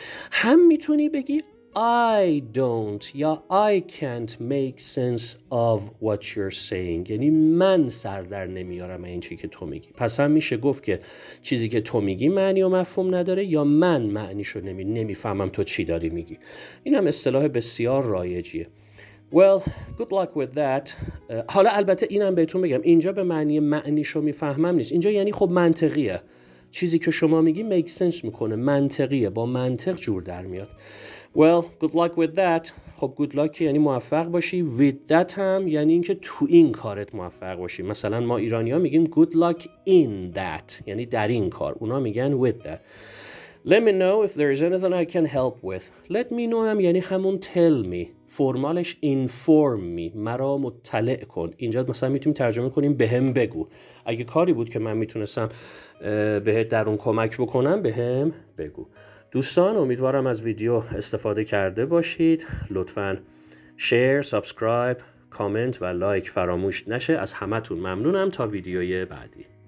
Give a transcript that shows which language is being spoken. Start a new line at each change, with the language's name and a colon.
Persian: هم میتونی بگی
English: I don't
Persian: یا
English: I can't make sense of what you're saying،
Persian: یعنی من سردر نمیارم این چیزی که تو میگی. پس هم میشه گفت که چیزی که تو میگی معنی و مفهوم نداره، یا من معنیشو نمی فهمم تو چی داری میگی. این هم اصطلاح بسیار رایجیه.
English: Well, good luck with that.
Persian: حالا البته اینم بهتون بگم، اینجا به معنی معنیشو میفهمم نیست، اینجا یعنی خب منطقیه، چیزی که شما میگی make sense میکنه، منطقیه، با منطق جور در میاد.
English: Well, good luck with that.
Persian: خب good luck یعنی موفق باشی، with that هم یعنی اینکه تو این کارت موفق باشی. مثلا ما ایرانی ها میگیم
English: good luck in that،
Persian: یعنی در این کار، اونا میگن with that.
English: Let me know if there is anything I can help with.
Persian: Let me know هم یعنی همون tell me، فرمالش inform me، مرا مطلع کن. اینجا مثلا میتونیم ترجمه کنیم بهم بگو، اگه کاری بود که من میتونستم بهت در اون کمک بکنم بهم بگو. دوستان امیدوارم از ویدیو استفاده کرده باشید، لطفاً شیر، سابسکرایب، کامنت و لایک فراموش نشه. از همتون ممنونم، تا ویدیوی بعدی.